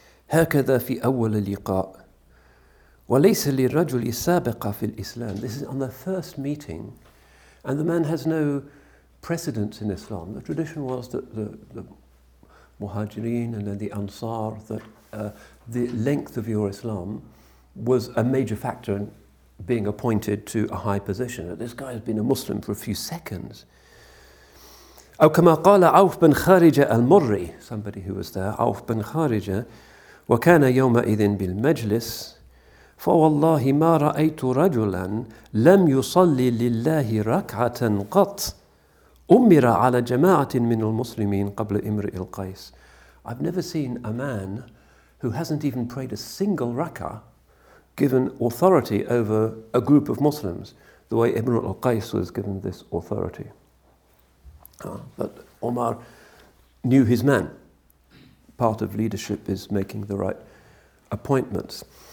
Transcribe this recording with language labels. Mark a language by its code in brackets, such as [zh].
[ar] هكذا في أول اللقاء وليس للرجل سابقة في الإسلام. [en] This is on the first meeting, and the man has no precedence in Islam. The tradition was that the Muhajirin and then the Ansar, that the length of your Islam was a major factor in being appointed to a high position. This guy has been a Muslim for a few seconds. [ar] أو كما قال عوف بن خارجة المري. [en] Somebody who was there, عوف بن خارجة. [ar] وكان يومئذ بالمجلس فوالله ما رأيت رجلا لم يصلي لله ركعة قط أمر على جماعة من المسلمين قبل إمرئ القيس. [en] I've never seen a man who hasn't even prayed a single rak'ah given authority over a group of Muslims, the way Ibn al-Qais was given this authority. But Omar knew his man. Part of leadership is making the right appointments.